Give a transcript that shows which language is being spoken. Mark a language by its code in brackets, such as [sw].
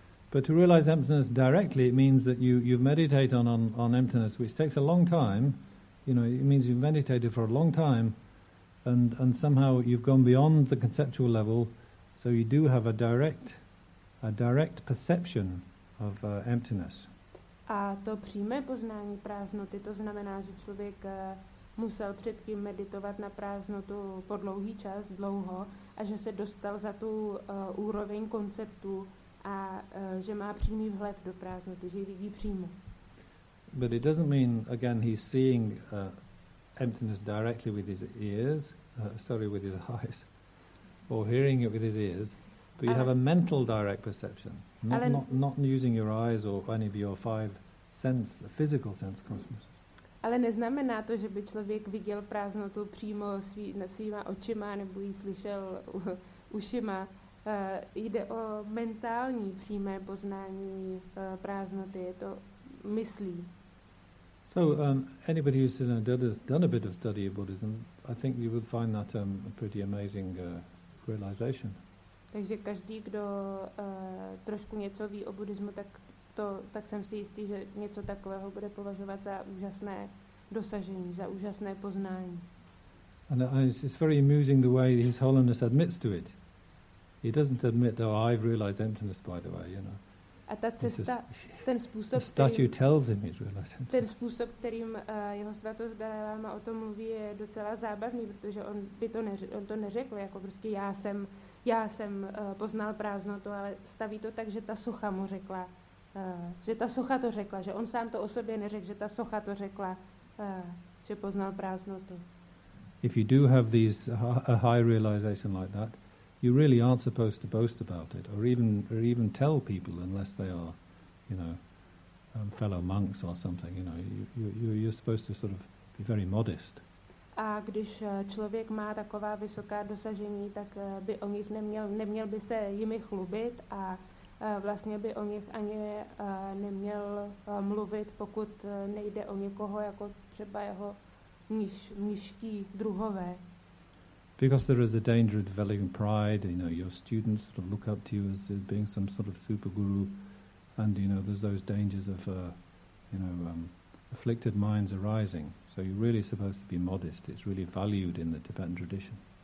[en] But to realize emptiness directly, it means that you've meditated on emptiness, which takes a long time. You know, it means you've meditated for a long time, and somehow you've gone beyond the conceptual level, so you do have a direct perception of emptiness. [cs] A to přímé poznání prázdnoty, to znamená, že člověk musel předtím meditovat na prázdnotu po dlouhý čas, dlouho, a že se dostal za tu úroveň konceptu, a že má přímý vhled do prázdnoty, že ji vidí přímo. [en] But it doesn't mean again he's seeing emptiness directly with his ears, with his eyes, or hearing it with his ears, but you have a mental direct perception, not using your eyes or any of your five sense, physical sense consciousness. [cs] Ale neznamená to, že by člověk viděl prázdnotu přímo svýma očima nebo ji slyšel ušima. Jde o mentální přímé poznání prázdnoty, je to myslí. [en] So anybody who's done a bit of study of Buddhism, I think you would find that a pretty amazing realization. [cs] Takže každý, kdo trošku něco ví o buddhismu, tak jsem si jistý, že něco takového bude považovat za úžasné dosažení, za úžasné poznání. [en] And it's very amusing the way His Holiness admits to it. He doesn't admit that I've realized emptiness, by the way, you know. [cs] A ta cesta, ten způsob, [en] the statue tells him he's realized emptiness. [cs] Ten způsob, kterým jeho svatost Dalai Lama o tom mluví, je docela zábavný, protože on by to neřekl, jako prostě já jsem poznal prázdnotu, ale staví to tak, že ta socha mu řekla, že ta socha to řekla, že on sám to o sobě neřekl, že ta socha to řekla, že poznal prázdnotu. [en] If you do have these a high realization like that, you really aren't supposed to boast about it or even tell people unless they are, you know, fellow monks or something, you know. You're supposed to sort of be very modest. [cs] A když člověk má taková vysoká dosažení, tak by o nich neměl by se jimi chlubit a vlastně by o nich ani neměl mluvit, pokud nejde o někoho jako třeba jeho nižší druhové. [en] Because there is a danger of developing pride, you know, your students sort of look up to you as being some sort of super guru, and you know, there's those dangers of afflicted minds arising. So you're really supposed to be modest. It's really valued in the Tibetan tradition.